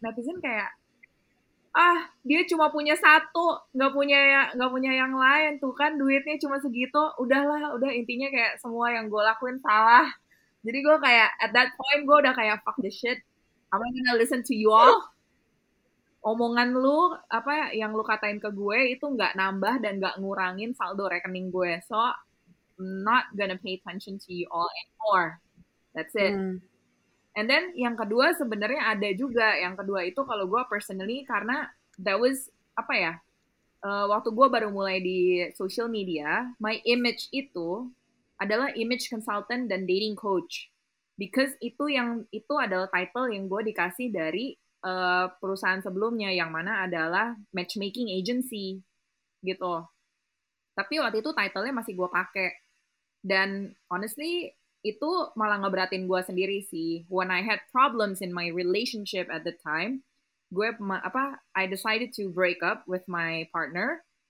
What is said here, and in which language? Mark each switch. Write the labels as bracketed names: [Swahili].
[Indonesian] Netizen kayak, ah, dia cuma punya satu, nggak punya yang lain, tuh kan duitnya cuma segitu, udah intinya kayak semua yang gue lakuin salah. Jadi gue kayak [English] at that point gue udah kayak fuck the shit, I'm gonna listen to you all. [Indonesian] Omongan lu apa yang lu katain ke gue itu nggak nambah dan nggak ngurangin saldo rekening gue, [English] so I'm not gonna pay attention to you all anymore. That's it. And then [Indonesian] yang kedua sebenarnya ada juga. Yang kedua itu kalau gue personally, karena that was, apa ya, waktu gue baru mulai di social media, [English] my image [Indonesian] itu adalah image consultant dan dating coach. Because itu adalah title yang gue dikasih dari perusahaan sebelumnya, yang mana adalah matchmaking agency, gitu. Tapi waktu itu title-nya masih gue pakai. Dan honestly, itu malah ngeberatin gue sendiri sih. [English] When I had problems in my relationship at the time, I decided to break up with my partner.